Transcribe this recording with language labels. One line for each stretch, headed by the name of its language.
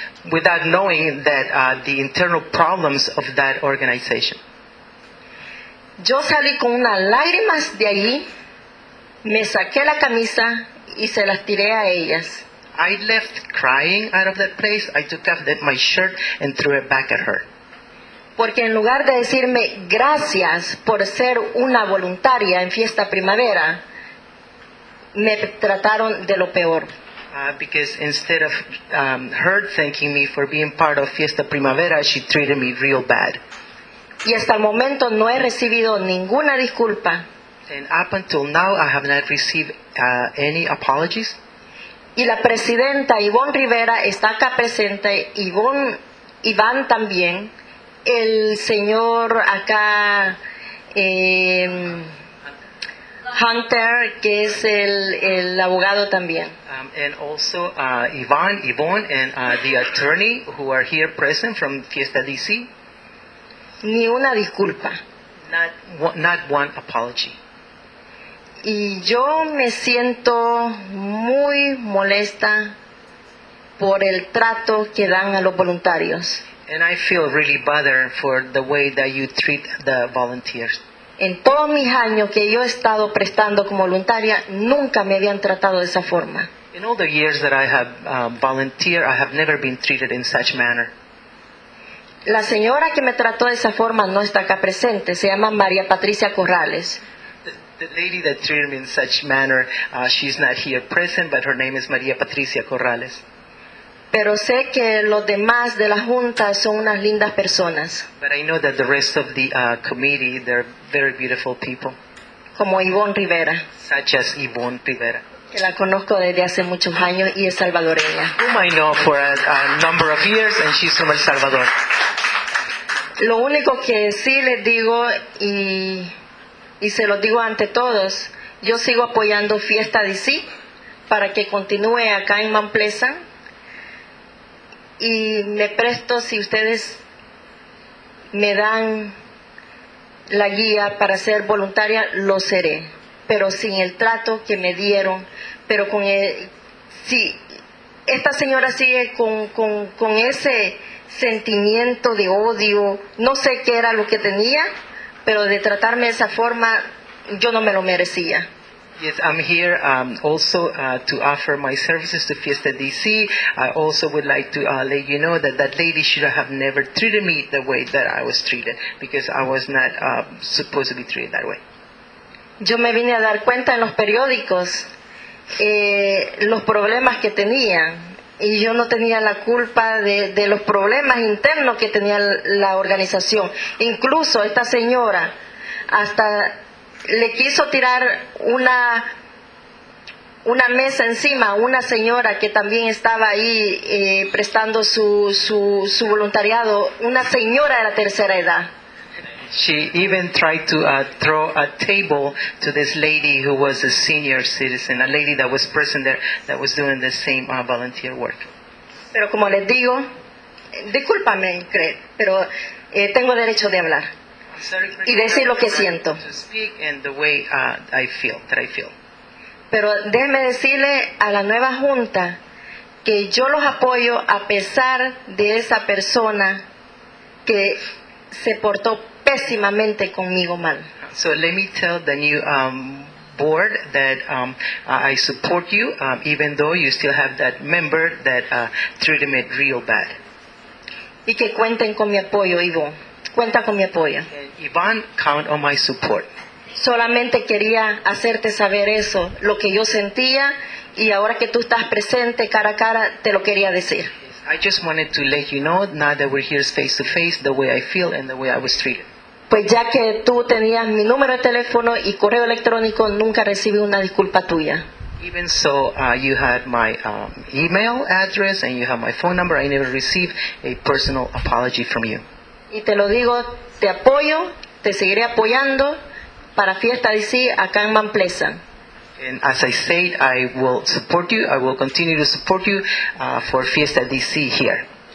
English: Without knowing that the internal problems of that organization.
Spanish: Yo salí con unas lágrimas de allí. Me saqué la camisa y se las tiré a ellas.
English: I left crying out of that place. I took off my shirt and threw it back at her.
Spanish: Porque en lugar de decirme gracias por ser una voluntaria en Fiesta Primavera, me trataron de lo peor.
English: Because instead of her thanking me for being part of Fiesta Primavera, she treated me real bad.
Spanish: Y hasta el momento no he recibido ninguna disculpa.
English: And up until now, I have not received any apologies.
Spanish: Y la presidenta Ivonne Rivera está acá presente. Ivonne, Iván también. El señor acá, Hunter, que es el abogado también.
English: And also Ivonne, and the attorney who are here present from Fiesta DC.
Spanish: Ni una disculpa.
English: Not one apology.
Spanish: Y yo me siento muy molesta por el trato que dan a los voluntarios.
English: And I feel really bothered for the way that you treat the volunteers.
Spanish: En todos mis años que yo he estado prestando como voluntaria, nunca me habían tratado de esa forma.
English: In all the years that I have volunteered, I have never been treated in such manner.
Spanish: La señora que me trató de esa forma no está acá presente. Se llama María Patricia Corrales.
English: The lady that treated me in such manner, she's not here present, but her name is Maria Patricia Corrales.
Spanish: Pero sé que los demás de la junta son unas lindas personas.
English: But I know that the rest of the committee, they're very beautiful people.
Spanish: Como Ivonne Rivera.
English: Such as Ivonne Rivera.
Spanish: Que la conozco desde hace muchos años y es salvadoreña.
English: Whom I know for a number of years and she's from El Salvador.
Spanish: Lo único que sí les digo y se lo digo ante todos, yo sigo apoyando Fiesta DC para que continúe acá en Mount Pleasant. Y me presto si ustedes me dan la guía para ser voluntaria, lo seré. Pero sin el trato que me dieron, pero con el, si esta señora sigue con ese sentimiento de odio, no sé qué era lo que tenía, pero de tratarme de esa forma, yo no me lo merecía.
English: Yes, I'm here also to offer my services to Fiesta DC. I also would like to let you know that that lady should have never treated me the way that I was treated, because I was not supposed to be treated that way.
Spanish: Yo me vine a dar cuenta en los periódicos los problemas que tenía, y yo no tenía la culpa de los problemas internos que tenía la organización. Incluso esta señora hasta le quiso tirar una mesa encima a una señora que también estaba ahí prestando su voluntariado, una señora de la tercera edad.
English: She even tried to throw a table to this lady who was a senior citizen, a lady that was present there that was doing the same volunteer work.
Spanish: Pero como les digo, discúlpame, Craig, pero tengo derecho de hablar y decir lo que siento.
English: To speak in the way I feel, that I feel.
Spanish: Pero déjeme decirle a la nueva junta que yo los apoyo a pesar de esa persona que se portó pésimamente conmigo mal.
English: So let me tell the new board that I support you, even though you still have that member that treated me real bad.
Spanish: Y que cuenten con mi apoyo, Ivonne. Cuenta con mi apoyo.
English: Ivonne, count on my support.
Spanish: Solamente quería hacerte saber eso, lo que yo sentía, y ahora que tú estás presente cara a cara, te lo quería decir.
English: I just wanted to let you know, now that we're here face to face, the way I feel and the way I was treated.
Spanish: Pues ya que tú tenías mi número de teléfono y correo electrónico, nunca recibí una disculpa tuya.
English: Even so, you had my email address and you had my phone number. I never received a personal apology from you.
Spanish: Y te lo digo, te apoyo, te seguiré apoyando para Fiesta DC acá en Mount Pleasant.
English: And as I said, I will support you. I will continue to support you for Fiesta DC here.